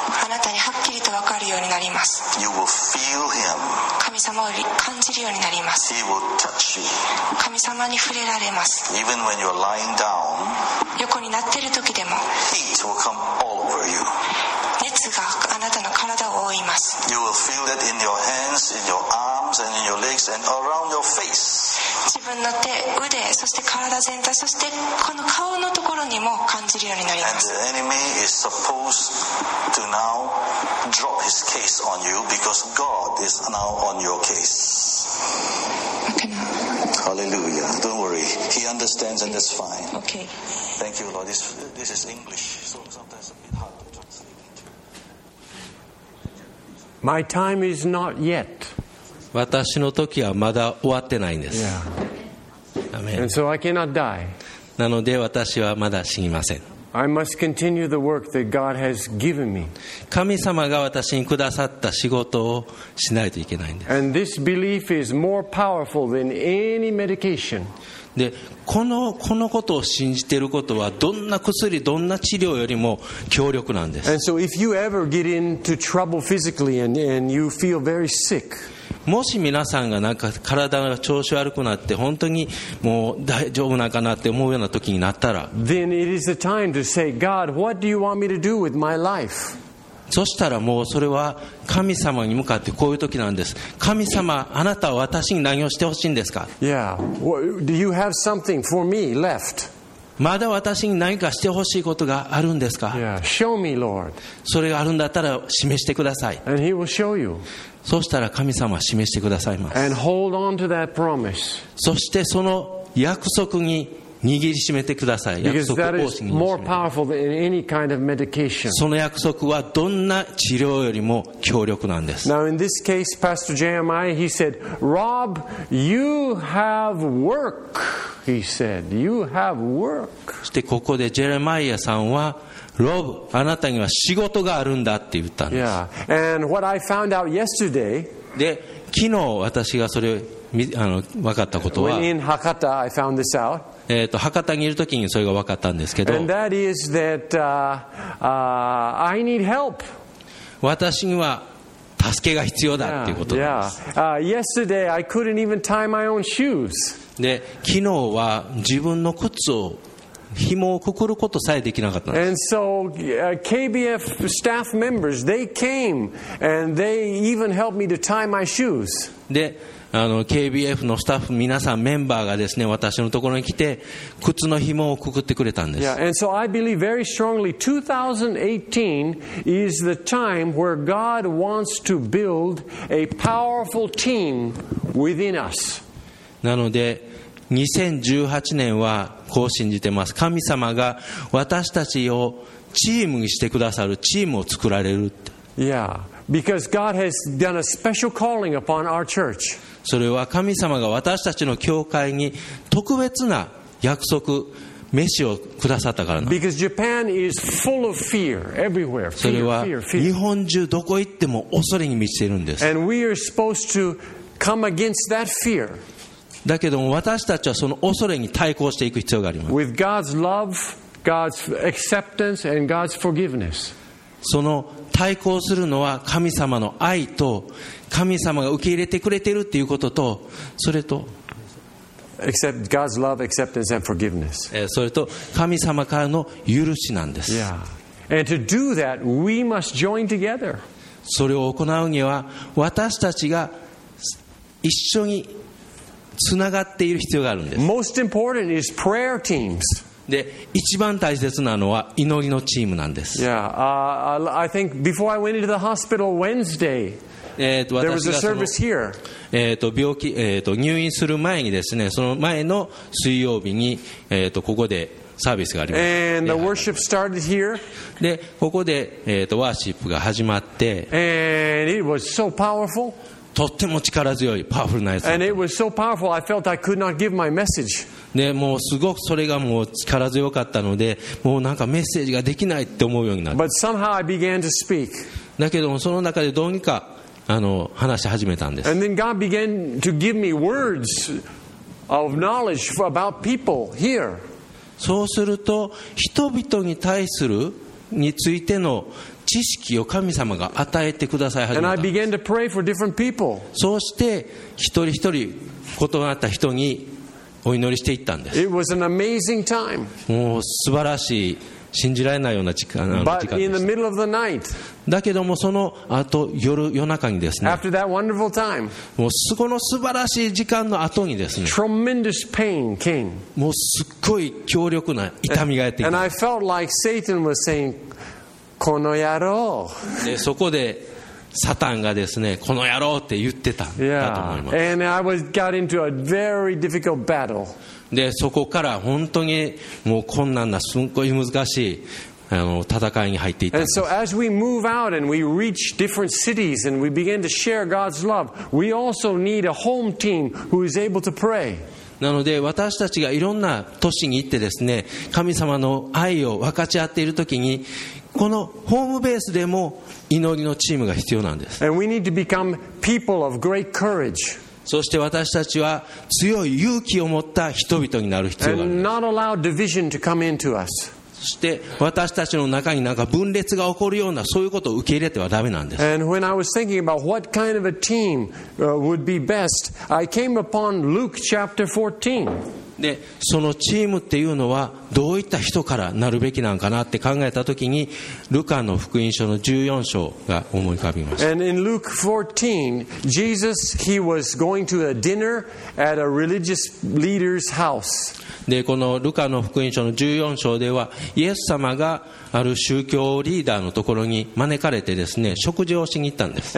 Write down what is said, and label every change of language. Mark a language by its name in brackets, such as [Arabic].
[Japanese] あなたにはっきりと分かるようになります。 [English] You will feel Him. [Japanese] 神様を感じるようになります。 [English] He will touch you. [Japanese] 神様に触れられます。 [English] Even when you are lying down, [Japanese] 横になっている時でも、 [English] Heat will come all over you. [Japanese] 熱があなたの体を覆います。 [English] You will feel that in your hands, in your arms, and in your legs, and around your face. [Japanese] 自分の手、腕、そして体全体、そしてこの顔のところにも感じるようになります。 [English] And the enemy is supposed to now drop his case on you because God is now on your case. Okay. Hallelujah. Don't worry. He understands and that's fine. Okay. Thank you, Lord. This is English, so sometimes it's a bit hard. My time is not yet. [Japanese] 私の時はまだ終わってないんです。 [English] Yeah. Amen. And so I cannot die. [Japanese] なので私はまだ死にません。 [English] I must continue the work that God has given me. [Japanese] 神様が私にくださった仕事をしないといけないんです。 [English] And this belief is more powerful than any medication. [Japanese] で、このことを信じていることはどんな薬、どんな治療よりも強力なんです。 [English] And so if you ever get into trouble physically and you feel very sick. [Japanese] もし皆さんがなんか体が調子悪くなって本当にもう大丈夫なんかなって思うような時になったら、 [English] Then it is the time to say, God, what do you want me to do with my life? [Japanese] そしたらもうそれは神様に向かってこういう時なんです。神様、あなたは私に何をしてほしいんですか? [English] Yeah, do you have something for me left? [Japanese] まだ私に何かしてほしいことがあるんですか? [English] Yeah, show me, Lord. [Japanese] それがあるんだったら示してください。 [English] And he will show you. [Japanese] そしたら神様は示してくださいます。 [English] And hold on to that promise. [Japanese] そしてその約束に握りしめてください。約束を [English] Because that is more powerful than any kind of medication. [Japanese] その約束はどんな治療よりも強力なんです。 [English] Now in this case, Pastor Jeremiah, he said, Rob, you have work. He said, "You have work." [Japanese] そしてここでジェレマイアさんはロブ、あなたには仕事があるんだって言ったんです。 [English] Yeah. And what I found out yesterday, [Japanese] で昨日私がそれを分かったことは、 [English] When in Hakata, I found this out. [Japanese] 博多にいるときにそれが分かったんですけど、 [English] And that is that, I need help. [Japanese] 私には助けが必要だっていうことです。 [English] Yeah. Yeah. Yesterday, I couldn't even tie my own shoes. [Japanese] で昨日は自分の靴を紐をくくることさえできなかったんです。 [English] And so, KBF staff members, they came and they even helped me to tie my shoes. [Japanese] で、KBF のスタッフ皆さんメンバーがですね、私のところに来て靴の紐をくくってくれたんです。 [English] Yeah, and so I believe very strongly 2018 is the time where God wants to build a powerful team within us. [Japanese] なので2018年はこう信じてます。神様が私たちをチームにしてくださる、チームを作られるって。 [English] Yeah, because God has done a special calling upon our church. [Japanese] それは神様が私たちの教会に特別な約束、召しをくださったからな。 [English] Because Japan is full of fear everywhere. [Japanese] それは日本中どこ行っても恐れに満ちているんです。 [English] And we are supposed to come against that fear [Japanese] だけども私たちはその恐れに対抗していく必要があります。 [English] With God's love, God's acceptance, and God's forgiveness. [Japanese] その対抗するのは神様の愛と神様が受け入れてくれているということと、それと [English] Except God's love, acceptance, and forgiveness. [Japanese] それと神様からの許しなんです。 [English] Yeah. And to do that, we must join together. [Japanese] それを行うには私たちが一緒に繋がっている必要があるんです。 [English] Most important is prayer teams. [Japanese] で、一番大切なのは祈りのチームなんです。 [English] Yeah, I think before I went into the hospital Wednesday, there was a service here. [Japanese] 病気、入院する前にですね、その前の水曜日に、ここでサービスがあります。 [English] And the worship started here. [Japanese] で、ここで、ワーシップが始まって、 [English] And it was so powerful. [Japanese] とっても力強いパワフルなやつ。 [English] And it was so powerful, I felt I could not give my message. [Japanese] で、もうすごくそれがもう力強かったので、もうなんかメッセージができないって思うようになった。 [English] But somehow I began to speak. [Japanese] だけどもその中でどうにか話し始めたんです。 [English] And then God began to give me words of knowledge about people here. [Japanese] そうすると人々に対するについての知識を神様が与えてください始めた。 [English] And I began to pray for different people. [Japanese] そうして一人一人異なった人にお祈りしていったんです。 [English] It was an amazing time. [Japanese] もう素晴らしい、信じられないような時間でした。 [English] But in the middle of the night, [Japanese] だけどもその後 夜中にですね、 [English] After that wonderful time, [Japanese] もうこの素晴らしい時間の後にですね、 [English] Tremendous pain came. [Japanese] もうすっごい強力な痛みがやってき [English] た。 And I felt like Satan was saying [Japanese] この野郎。で、そこでサタンがですね、この野郎って言ってたんだと思います。 [English] Yeah. And I was got into a very difficult battle. [Japanese] で、そこから本当にもう困難な、すごい難しい戦いに入っていた。 [English] And so as we move out and we reach different cities and we begin to share God's love, we also need a home team who is able to pray. [Japanese] なので私たちがいろんな都市に行ってですね、神様の愛を分かち合っているときに、このホームベースでも祈りのチームが必要なんです。 [English] And we need to become people of great courage. [Japanese] そして私たちは強い勇気を持った人々になる必要があります。 [English] And not allow division to come into us. [Japanese] そして私たちの中になんか分裂が起こるようなそういうことを受け入れてはダメなんです。 [English] And when I was thinking about what kind of a team would be best, I came upon Luke chapter 14. [Japanese] で、そのチームっていうのはどういった人からなるべきなんかなって考えたときに、ルカの福音書の14章が思い浮かびました。 [English] And in Luke 14, Jesus, he was going to a dinner at a religious leader's house. [Japanese] でこのルカの福音書の14章ではイエス様がある宗教リーダーのところに招かれてですね、食事をしに行ったんです。